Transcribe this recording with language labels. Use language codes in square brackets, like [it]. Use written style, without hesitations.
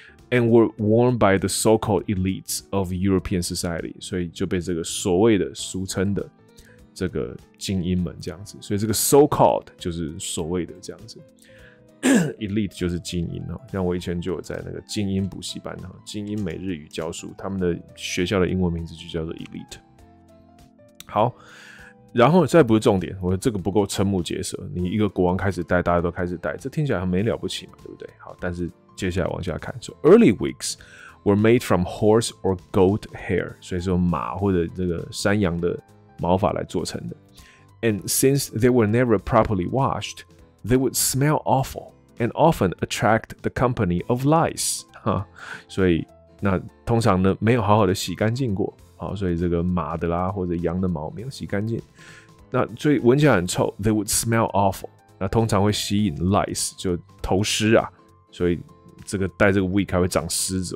[en] And were worn by the so-called elites of European society. [zh] 所以就被这个所谓的俗称的这个精英们这样子。所以这个 so-called 就是所谓的这样子。Elite 就是精英，像我以前就有在那个精英补习班，精英每日语教书，他们的学校的英文名字就叫做 Elite。好，然后再不是重点，我这个不够瞠目结舌，你一个国王开始戴，大家都开始戴，这听起来很没了不起嘛，对不对？好，但是接下来往下看，说 [en] Early wigs were made from horse or goat hair， [zh] 所以说马或者这个山羊的毛发来做成的。 [en] And since they were never properly washedThey would smell awful and often attract the company of lice. [zh] 哈，所以那通常呢没有好好的洗干净过，好，所以这个马的啦或者羊的毛没有洗干净，那所以闻起来很臭。 [en] They would smell awful. [zh] 那通常会吸引 lice， 就头虱啊。所以这个戴这个 wig 还会长虱子。